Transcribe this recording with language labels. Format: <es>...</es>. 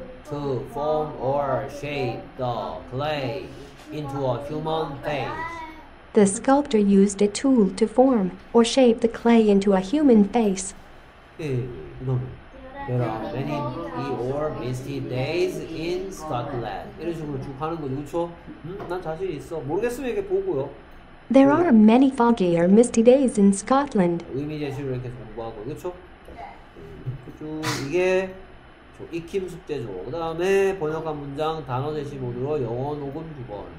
<en>To form or shape the clay into a human face. The sculptor used a tool to form or shape the clay into a human face. There are many or misty days in Scotland.</en> <ko>이런 식으로 쭉 하는 거죠, 그쵸? 난 자신 있어. 모르겠으면 이렇게 보고요.</ko> <en>There are many foggy or misty days in Scotland.</en> <ko>의미 제시로 이렇게 공부하고, 그렇죠? 그쭉 이게 저 익힘 숙제죠. 그 다음에 번역한 문장 단어 제시 모드로 영어 녹음 두 번.</ko>